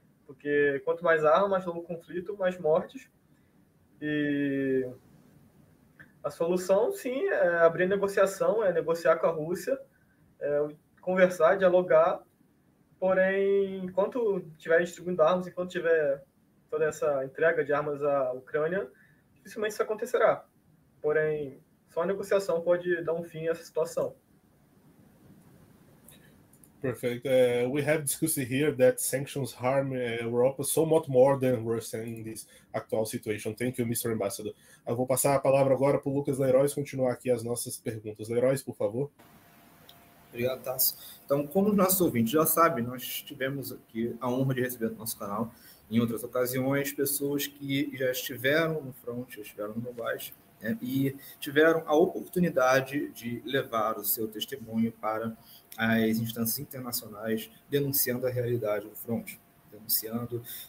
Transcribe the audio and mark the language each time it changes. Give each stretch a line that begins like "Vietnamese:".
Portuguese: Porque quanto mais armas, mais longo conflito, mais mortes. E a solução, sim, é abrir negociação, é negociar com a Rússia, conversar, dialogar, porém, enquanto estiver distribuindo armas, enquanto tiver toda essa entrega de armas à Ucrânia, dificilmente isso acontecerá. Porém, só a negociação pode dar um fim a essa situação.
English: Perfect. We have discussed here that sanctions harm Europa so much more than Russia in this actual situation. Thank you, Mr. Ambassador.
Portuguese: Eu vou passar a palavra agora para o Lucas Leirois continuar aqui as nossas perguntas. Leirois, por favor. Obrigado, Tasso. Então, como os nossos ouvintes já sabem, nós tivemos aqui a honra de receber no nosso canal, em outras ocasiões, pessoas que já estiveram no front, já estiveram no baixo, né, e tiveram a oportunidade de levar o seu testemunho para as instâncias internacionais, denunciando a realidade do front, denunciando